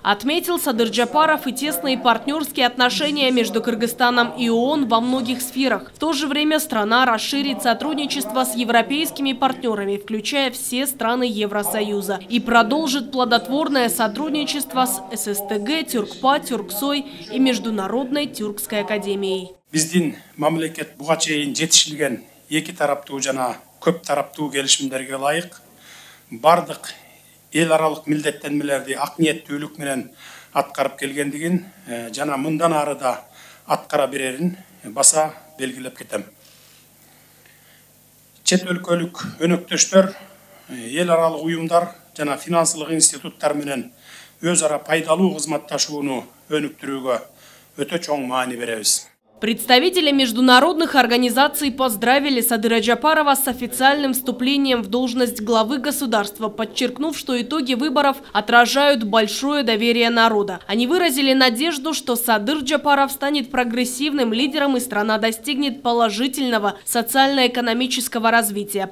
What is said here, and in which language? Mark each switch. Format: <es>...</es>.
<ru>Отметил Садыр Джапаров и тесные партнерские отношения между Кыргызстаном и ООН во многих сферах. В то же время страна расширит сотрудничество с европейскими партнерами, включая все страны Евросоюза, и продолжит плодотворное сотрудничество с ССТГ, Тюркпа, Тюрксой и Международной Тюркской академией.</ru> <ky>Биздин мамлекет буга чейин жетишилген эки тараптуу жана көп тараптуу келишимдерге ылайык бардык эл аралык милдеттенмелерди ак ниеттүүлүк менен аткарып келгендигин жана мындан ары да аткара берерин баса белгилеп кетем. Чет өлкөлүк өнөктөштөр, эл аралык уюмдар жана финансылык институттар менен өз ара пайдалуу кызматташууну өнүктүрүүгө өтө чоң маани беребиз.</ky> <ru>Представители международных организаций поздравили Садыра Джапарова с официальным вступлением в должность главы государства, подчеркнув, что итоги выборов отражают большое доверие народа. Они выразили надежду, что Садыр Джапаров станет прогрессивным лидером и страна достигнет положительного социально-экономического развития.</ru>